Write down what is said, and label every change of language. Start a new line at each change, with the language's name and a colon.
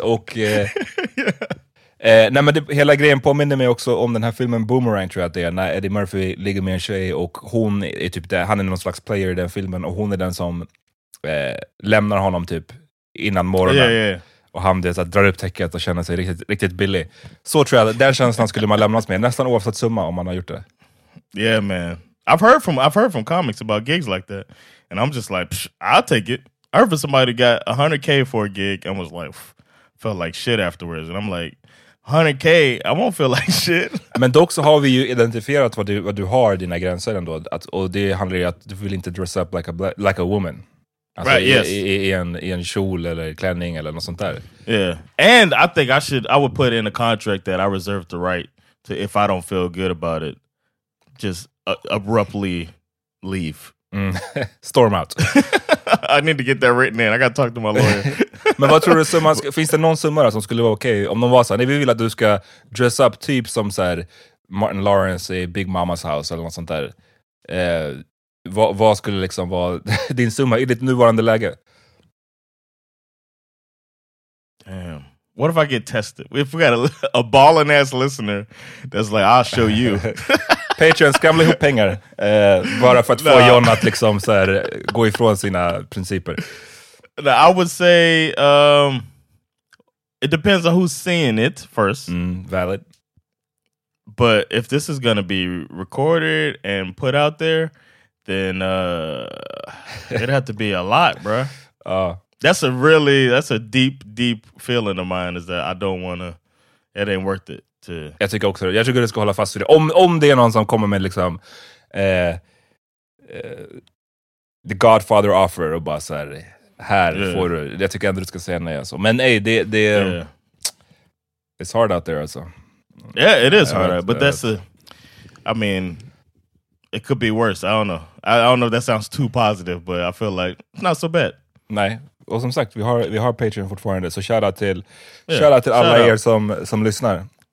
Swedish: Och nej, men hela grejen påminner mig också om den här filmen Boomerang, tror jag att det är, när Eddie Murphy ligger med en tjej och hon är typ där, han är någon slags player i den filmen, och hon är den som lämnar honom typ innan morgonen. Och han det, så att, drar upp täcket och känner sig riktigt, riktigt billig. Så tror jag, den känslan skulle man lämnas med nästan oavsett summa om man har gjort det.
English: Yeah man, I've heard from comics about gigs like that, and I'm just like, I'll take it. I heard from somebody who got 100k for a gig and was like, felt like shit afterwards, and I'm like, 100k, I won't feel like shit.
Swedish: Men dock så har vi ju identifierat vad du har dina gränser ändå, att, och det handlar ju att du vill inte
English: dress up like a woman.
Swedish: Alltså,
English: right,
Swedish: I en kjol eller klänning eller något sånt där.
English: Yeah. And I think I would put in a contract that I reserve the right to, if I don't feel good about it, just abruptly leave. Storm out. I need to get that written in. I gotta talk to my lawyer.
Swedish: Men vad tror du, summa, finns det någon summa som skulle vara okej om de var såhär, nej, vi vill att du ska
English: dress up
Swedish: typ som såhär Martin Lawrence i Big Mama's House eller något sånt där. Vad skulle liksom vara din summa i ditt nuvarande läge?
English: Damn. What if I get tested? If we got a ballin' ass listener that's like, I'll show you.
Swedish: Patreon, skramla ihop pengar. Bara för att få John att liksom så här, gå ifrån sina principer.
English: I would say it depends on who's seeing it first. Valid. But if this is gonna be recorded and put out there, then it'd have to be a lot, bro. That's a deep feeling of mine, is that I don't wanna, it ain't worth it to.
Swedish: Jag tycker också, jag tycker du ska hålla fast vid det. Om det är någon som kommer med liksom
English: the Godfather offer
Swedish: och bara såhär, får du, jag tycker ändå du ska säga nej alltså. Men ej, det är
English: it's hard out there
Swedish: alltså.
English: Yeah, it is hard, but that's a, I mean, it could be worse, I don't know. I don't know if that sounds too positive, but I feel like it's not so bad.
Swedish: Nej, och som sagt, vi har Patreon fortfarande, så shout out till alla er som lyssnar.